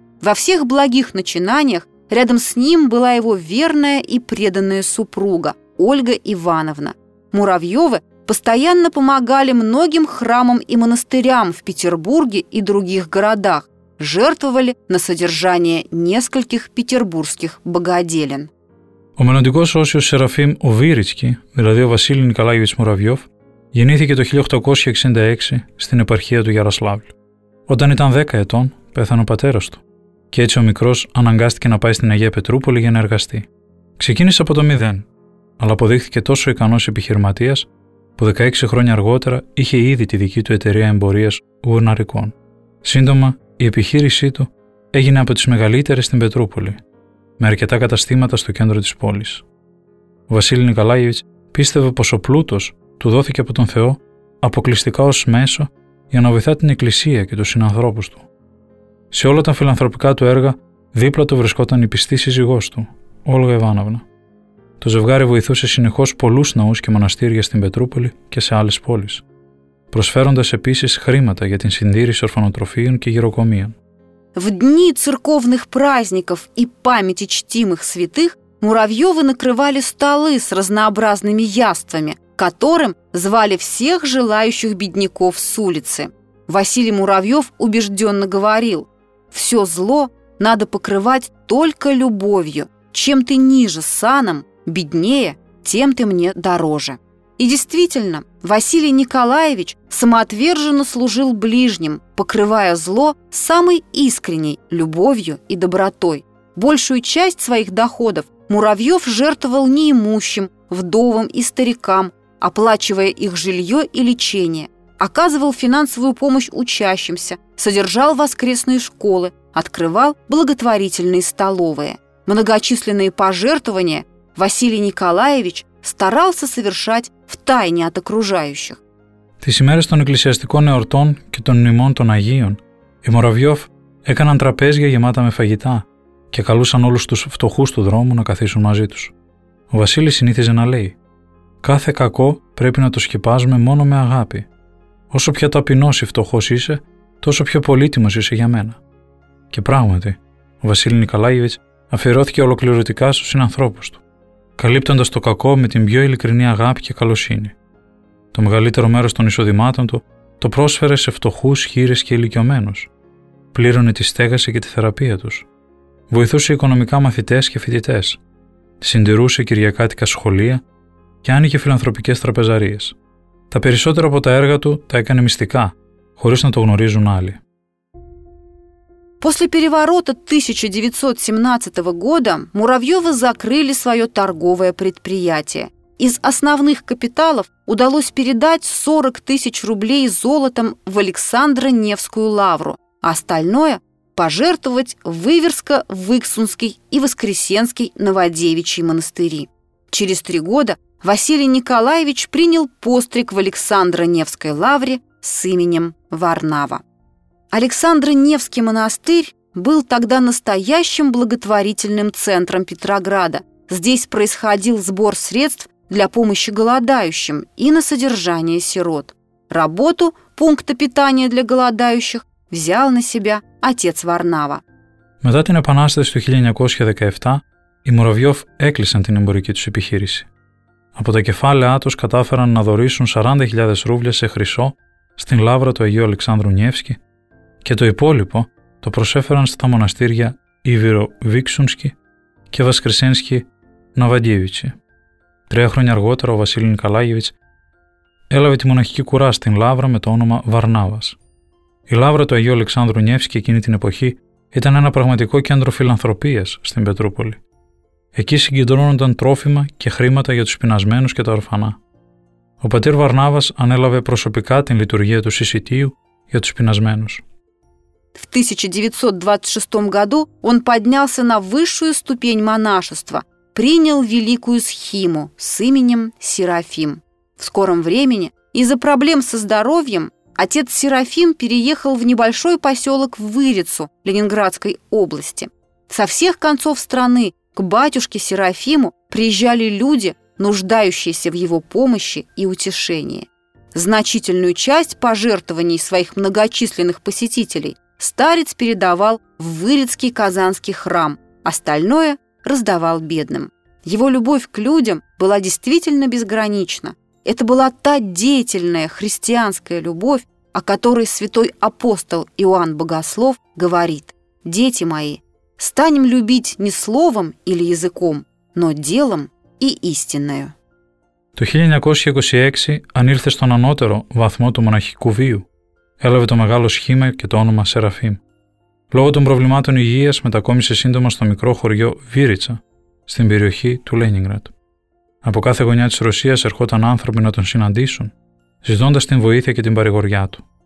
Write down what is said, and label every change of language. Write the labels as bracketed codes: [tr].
[ru] Во всех благих начинаниях рядом с ним была его верная и преданная супруга Ольга Ивановна. Муравьевы постоянно помогали многим храмам и монастырям в Петербурге и других городах, жертвовали на содержание нескольких петербургских богоделен. [el] Ο μελλοντικός όσιος Σεραφείμ ο Βύριτσκι, δηλαδή ο Βασίλη Νικολάγεβιτς Μουραβιώφ, γεννήθηκε το 1866 στην επαρχία του Γιαροσλάβλου. Όταν ήταν 10 ετών, πέθανε ο πατέρας του και έτσι ο μικρός αναγκάστηκε να πάει στην Αγία Πετρούπολη για να εργαστεί. Ξεκίνησε από το μηδέν, αλλά αποδείχθηκε τόσο ικανός επιχειρηματίας που 16 χρόνια αργότερα είχε ήδη τη δική του εταιρεία εμπορίας γουρναρικών. Σύντομα, η επιχείρησή του έγινε από τις μεγαλύτερες στην Πετρούπολη, με αρκετά καταστήματα στο κέντρο της πόλης. Ο Βασίλη Νικολάγεβιτς πίστευε πως ο πλούτος του δόθηκε από τον Θεό αποκλειστικά ως μέσο για να βοηθά την Εκκλησία και τους συνανθρώπους του. Σε όλα τα φιλανθρωπικά του έργα, δίπλα του βρισκόταν η πιστή σύζυγός του, Όλγα Ιβάνοβνα. Το ζευγάρι βοηθούσε συνεχώς πολλούς ναούς και μοναστήρια στην Πετρούπολη και σε άλλες πόλεις, προσφέροντας επίσης χρήματα για την συντήρηση ορφανοτροφείων και γυροκομείων. [ru] В дни церковных праздников и памяти чтимых святых Муравьёвы накрывали столы с разнообразными яствами, которым звали всех желающих бедняков с улицы. Василий Муравьев убежденно говорил: «Все зло надо покрывать только любовью. Чем ты ниже саном, беднее, тем ты мне дороже». И действительно, Василий Николаевич самоотверженно служил ближним, покрывая зло самой искренней любовью и добротой. Большую часть своих доходов Муравьев жертвовал неимущим, вдовам и старикам, оплачивая их жилье и лечение, оказывал финансовую помощь учащимся, содержал воскресные школы, открывал благотворительные столовые. Многочисленные пожертвования Василий Николаевич старался совершать втайне от окружающих. [el] Τις ημέρες των εκκλησιαστικών εορτών και των μνημών των Αγίων, οι Μουραβιώφ έκαναν τραπέζια γεμάτα με φαγητά και καλούσαν όλους τους φτωχούς του δρόμου να καθίσουν μαζί τους. Ο Βασίλης συνήθιζε να λέει: «Κάθε κακό πρέπει να το σκεπάζουμε μόνο με αγάπη. Όσο πιο ταπεινός ή φτωχός είσαι, τόσο πιο πολύτιμος είσαι για μένα». Και πράγματι, ο Βασίλη Νικολάγεβιτς αφιερώθηκε ολοκληρωτικά στους συνανθρώπους του. καλύπτοντας το κακό με την πιο ειλικρινή αγάπη και καλοσύνη. Το μεγαλύτερο μέρος των εισοδημάτων του το πρόσφερε σε φτωχούς, χείρες και ηλικιωμένους. Πλήρωνε τη στέγαση και τη θεραπεία τους. Βοηθούσε οικονομικά μαθητές και φοιτητές. Συντηρούσε κυριακάτικα σχολεία και άνοιγε φιλανθρωπικές τραπεζαρίες. Τα περισσότερα από τα έργα του τα έκανε μυστικά, χωρίς να το γνωρίζουν άλλοι. [ru] После переворота 1917 года Муравьёвы закрыли своё торговое предприятие. Из основных капиталов удалось передать 40 тысяч рублей золотом в Александро-Невскую лавру, а остальное пожертвовать в Выверско-Выксунский и Воскресенский Новодевичий монастыри. Через три года Василий Николаевич принял постриг в Александро-Невской лавре с именем Варнава. Александро-Невский монастырь был тогда настоящим благотворительным центром Петрограда. Здесь происходил сбор средств для помощи голодающим и на содержание сирот. Работу пункта питания для голодающих взял на себя отец Варнава. [el] Μετά την Επανάσταση του 1917, οι Муравьёв έκλεισαν την εμπορική τους επιχείρηση. Από τα κεφάλαιά τους κατάφεραν να δωρήσουν 40.000 ρούβλια σε χρυσό στην λάβρα του Αγίου Αλεξάνδρου Νιεύσκη και το υπόλοιπο το προσέφεραν στα μοναστήρια Ιβυρο-Βίξουνσκι και Βασκρισένσκι Ναβαντίβιτσι. Τρία χρόνια αργότερα ο Βασίλης Νικολάγεβιτς έλαβε τη μοναχική κουρά στην λάβρα με το όνομα Βαρνάβας. Η λάβρα του Αγίου Αλεξάνδρου Νιεύσκη εκείνη την εποχή ήταν ένα πραγματικό κέντρο φιλανθρωπίας στην Πετρούπολη. Εκεί συγκεντρώνονταν τρόφιμα και χρήματα για τους πεινασμένους και τα ορφανά. Ο πατήρ Βαρνάβας ανέλαβε προσωπικά την λειτουργία του συσσιτίου για τους πεινασμένους. [ru] В 1926 году он поднялся на высшую ступень монашества, принял великую схиму с именем Серафим. В скором времени из-за проблем со здоровьем отец Серафим переехал в небольшой поселок в Вырицу Ленинградской области. Со всех концов страны к батюшке Серафиму приезжали люди, нуждающиеся в его помощи и утешении. Значительную часть пожертвований своих многочисленных посетителей старец передавал в Вырицкий Казанский храм, остальное раздавал бедным. Его любовь к людям была действительно безгранична. Это была та деятельная христианская любовь, о которой святой апостол Иоанн Богослов говорит: «Дети мои, станем любить не словом или языком, но делом и истинною». [el] Το 1926 ανήλθε στον ανώτερο βαθμό του μοναχικού βίου. Έλαβε το μεγάλο σχήμα και το όνομα Σεραφείμ. Λόγω των προβλημάτων υγείας μετακόμισε σύντομα στο μικρό χωριό Βίριτσα, στην περιοχή του Λένιγκρατ. Από κάθε γωνιά της Ρωσίας ερχόταν άνθρωποι να τον συναντήσουν, ζητώντας την βοήθεια και την παρηγοριά του.